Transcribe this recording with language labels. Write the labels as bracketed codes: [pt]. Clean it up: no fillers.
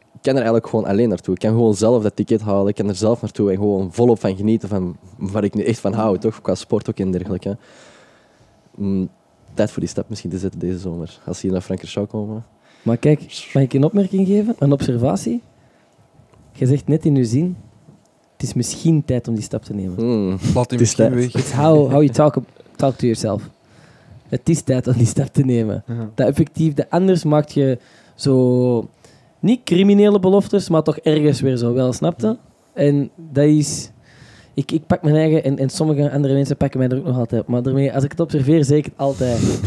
[nl] kan er eigenlijk gewoon alleen naartoe. Ik kan gewoon zelf dat ticket halen, ik kan er zelf naartoe en gewoon volop van genieten van waar ik nu echt van hou, toch? Qua sport ook en dergelijke. Tijd voor die stap misschien te zetten deze zomer, als ze hier naar Frankrijk zou komen. Maar kijk, mag ik een opmerking geven, een observatie? Je zegt net in je zin, het is misschien tijd om die stap te nemen. Laat die misschien weg. [en] It's how you talk to yourself. [nl] Het is tijd om die stap te nemen. Ja. Dat effectief, dat anders maak je zo, niet criminele beloftes, maar toch ergens weer zo wel, snapte? En dat is, ik pak mijn eigen, en sommige andere mensen pakken mij er ook nog altijd op. Maar daarmee, als ik het observeer, zeg ik het altijd.